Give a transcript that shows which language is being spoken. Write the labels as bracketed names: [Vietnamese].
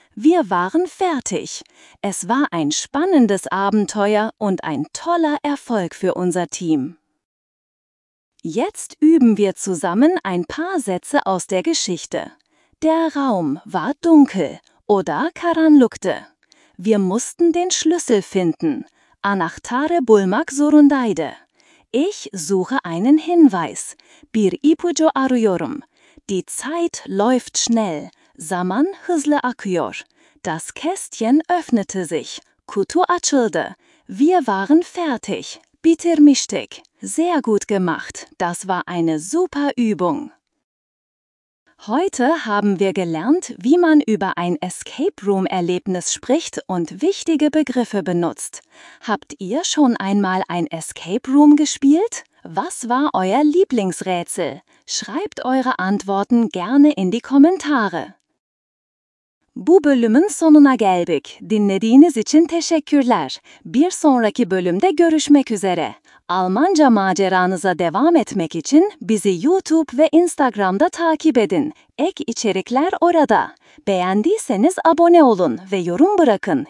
[German] Wir waren fertig. Es war ein spannendes Abenteuer und ein toller Erfolg für unser Team. Jetzt üben wir zusammen ein paar Sätze aus der Geschichte. Der Raum war dunkel oder [Turkish] karanlıktı. [German] Wir mussten den Schlüssel finden. [Turkish] Anahtarı bulmak zorundaydı. [German] Ich suche einen Hinweis. [Turkish] Bir ipucu arıyorum. [German] Die Zeit läuft schnell. [Turkish] Zaman hızlı akıyor. [German] Das Kästchen öffnete sich. [Turkish] Kutu açıldı. [German] Wir waren fertig. [Turkish] Bitirmiştik. [German] Sehr gut gemacht. Das war eine super Übung. Heute haben wir gelernt, wie man über ein Escape Room-Erlebnis spricht und wichtige Begriffe benutzt. Habt ihr schon einmal ein Escape Room gespielt? Was war euer Lieblingsrätsel? Schreibt eure Antworten gerne in die Kommentare. [Turkish] Bu bölümün sonuna geldik. Dinlediğiniz için teşekkürler. Bir sonraki bölümde görüşmek üzere. Almanca maceranıza devam etmek için bizi YouTube ve Instagram'da takip edin. Ek içerikler orada. Beğendiyseniz abone olun ve yorum bırakın.